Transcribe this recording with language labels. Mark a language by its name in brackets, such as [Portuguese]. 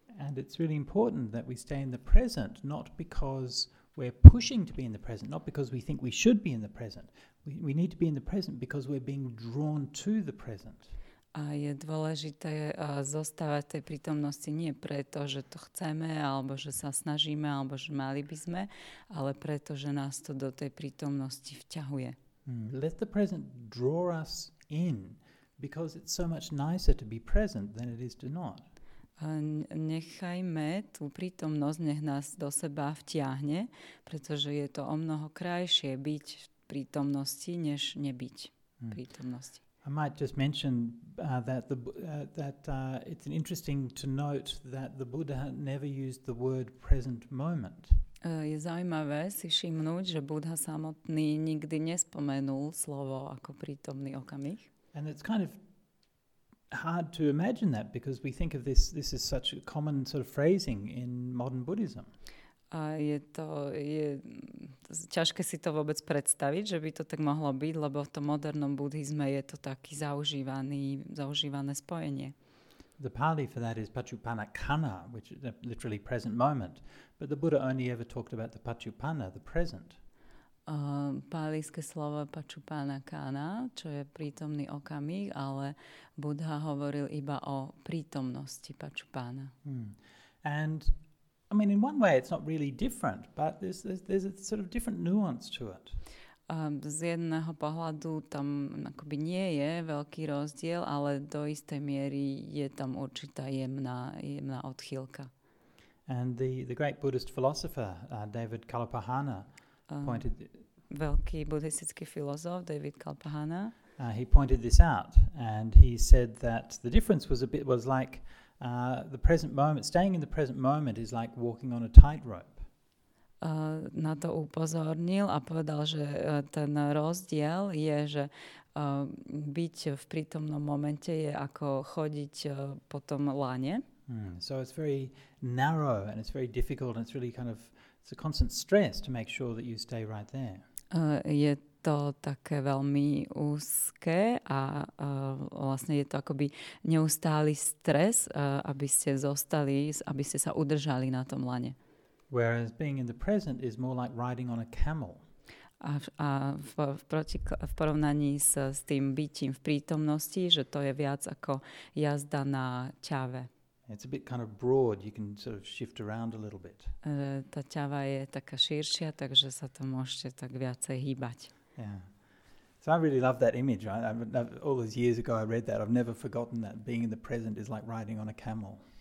[English] And it's really important that we stay in the present, not because we're pushing to be in the present, not because we think we should be in the present. We need to be in the present because we're being drawn to the present. [Slovak] A je dôležité zostávať tej prítomnosti nie preto, že to chceme, alebo že sa snažíme, alebo že mali by sme, ale preto, že nás to do tej prítomnosti vťahuje. [English] Let the present draw us in, because it's so much nicer to be present than it is to not. [Slovak] Nechajme tú prítomnosť, nech nás do seba vtiahne, pretože je to o mnoho krajšie byť v prítomnosti, než nebyť v prítomnosti. [English] I might just mention it's an interesting to note that the Buddha never used the word present moment. [Slovak] Je zaujímavé si všimnúť, že Buddha samotný nikdy nespomenul slovo ako prítomný okamih. [English] And it's kind of hard to imagine that because we think of this is such a common sort of phrasing in modern Buddhism. [Slovak] A je ťažké si to vôbec predstaviť, že by to tak mohlo byť, lebo v tom modernom buddhizme je to taký zaužívané spojenie. [English] The Pali for that is Pachupanakana, which is literally present moment. But the Buddha only ever talked about the Pachupana, the present. [Slovak] Pálijské slovo Pachupanakana, čo je prítomný okamih, ale Buddha hovoril iba o prítomnosti Pachupana. [English] And I mean, in one way, it's not really different, but there's a sort of different nuance to it. [Slovak] Z jedného pohľadu tam akoby nie je veľký rozdiel, ale do istej miery je tam určitá jemná odchýlka. [English] And the great Buddhist philosopher, David Kalpahana, pointed... [Slovak] Veľký buddhistický filozof, David Kalpahana. [English] He pointed this out, and he said that the difference was like... the present moment, staying in the present moment is like walking on a tightrope. [Slovak] na to upozornil a povedal, že ten rozdiel je, že byť v prítomnom momente je ako chodiť po tom lane. [English] So it's very narrow and it's very difficult and it's really kind of it's a constant stress to make sure that you stay right there. [Slovak] Je to také veľmi úzke a vlastne je to akoby neustály stres, aby ste zostali, aby ste sa udržali na tom lane. [English] Whereas being in the present is more like riding on a camel. [Slovak] A v porovnaní s tým bytím v prítomnosti, že to je viac ako jazda na ťave. [English] It's a bit kind of broad, you can sort of shift around a little bit. [Slovak] Tá ťava je taká širšia, takže sa to môžete tak viacej hýbať. [English] Yeah. So I really love that image, right? All those years ago I read that, I've never forgotten that being in the present is like riding on a camel.